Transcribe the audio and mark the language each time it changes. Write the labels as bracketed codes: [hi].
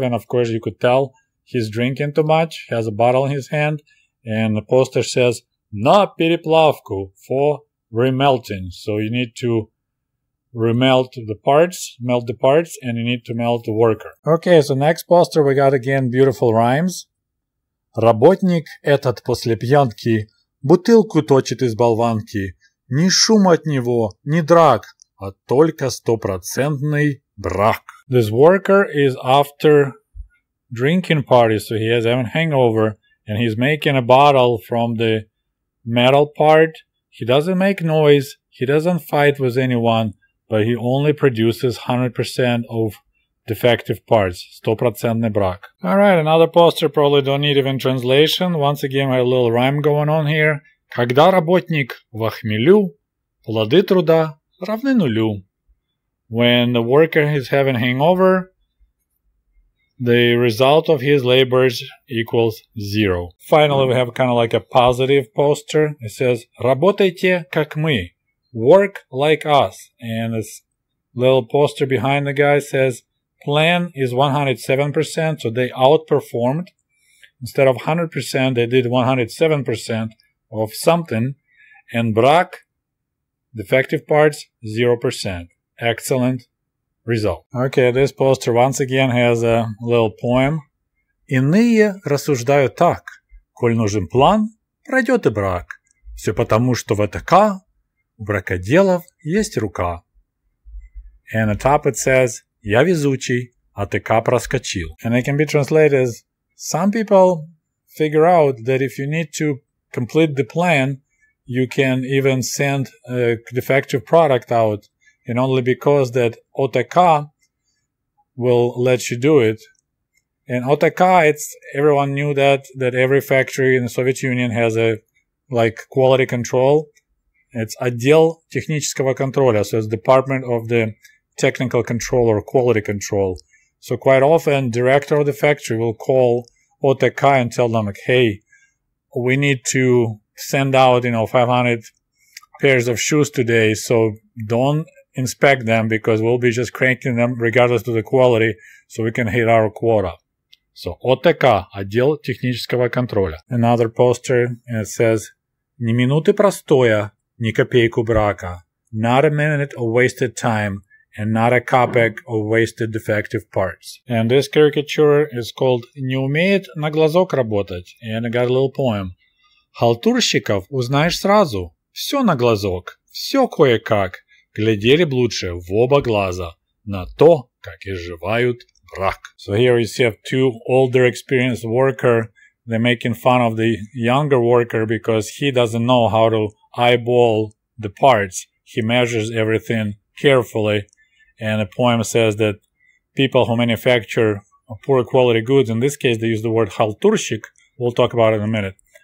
[en] And of course, you could tell he's drinking too much. He has a bottle in his hand. And the poster says, [ru] на переплавку, [en] for remelting. So you need to melt the parts, and you need to melt the worker. Okay, so next poster we got again beautiful rhymes. [ru] Работник этот после пьянки бутылку точит из болванки. Ни шум от него, ни драк, а только стопроцентный брак. [en] This worker is after drinking party, so he has having hangover, and he's making a bottle from the metal part. He doesn't make noise, he doesn't fight with anyone, but he only produces 100% of defective parts. 100% brak. Alright, another poster, probably don't need even translation. Once again, a little rhyme going on here. [ru] Когда работник в охмелю, плоды труда равны нулю. [en] When the worker is having hangover, the result of his labors equals zero. Finally, we have kind of like a positive poster. It says, [ru] работайте как мы. [en] Work like us. And this little poster behind the guy says, plan is 107%, so they outperformed. Instead of 100%, they did 107% of something. And BRAK, defective parts, 0%. Excellent result. Okay, this poster once again has a little poem. [ru] Иные рассуждают так. Коль нужен план, пройдет и брак. Все потому, что ВТК, у бракоделов есть рука. [en] And the top it says, [ru] я везучий, а ТК проскочил. [en] And it can be translated as, some people figure out that if you need to complete the plan, you can even send a defective product out, and only because that ОТК will let you do it. And ОТК, it's, everyone knew that every factory in the Soviet Union has a, like, quality control. It's [ru] отдел технического контроля, [en] so it's Department of the Technical Control or Quality Control. So quite often, director of the factory will call ОТК and tell them, like, hey, we need to send out, you know, 500 pairs of shoes today, so don't inspect them because we'll be just cranking them regardless of the quality so we can hit our quota. [ru] So, ОТК, отдел технического контроля. [en] Another poster, and it says, [ru] ни минуты простоя, ни копейку брака. [en] Not a minute of wasted time, and not a копейк of wasted defective parts. And this caricature is called [ru] «Не умеет на глазок работать», [en] and I got a little poem. [ru] Халтурщиков узнаешь сразу, все на глазок, все кое-как, глядели б лучше в оба глаза, на то, как изживают брак. [en] So here you see two older experienced worker, they're making fun of the younger worker because he doesn't know how to eyeball the parts. He measures everything carefully, and the poem says that people who manufacture poor quality goods, in this case they use the word халтурщик, we'll talk about it in a minute.